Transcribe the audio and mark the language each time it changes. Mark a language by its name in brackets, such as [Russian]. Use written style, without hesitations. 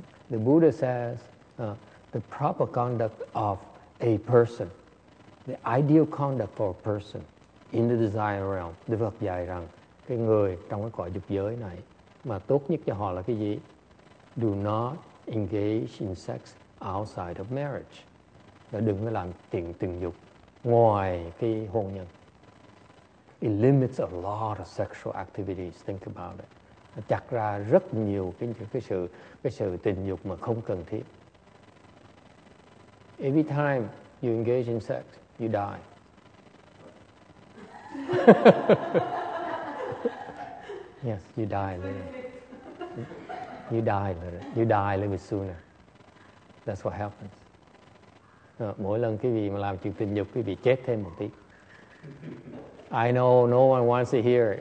[English] The Buddha says the proper conduct of a person, the ideal conduct for a person in the desire realm. [Vietnamese] Đức Phật dạy rằng cái người trong cái cõi dục giới này mà tốt nhất cho họ là cái gì? [English] Do not engage in sex outside of marriage. [Vietnamese] Là đừng có làm chuyện tình dục ngoài cái hôn nhân. [English] It limits a lot of sexual activities. Think about it. [Vietnamese] Nó chặt ra rất nhiều cái sự tình dục mà không cần thiết. [English] Every time you engage in sex, you die. Yes, you die later. You die a little bit sooner. That's what happens. [Vietnamese] Mỗi lần quý vị mà làm chuyện tình dục, quý vị chết thêm một tí. [English] I know no one wants to hear it.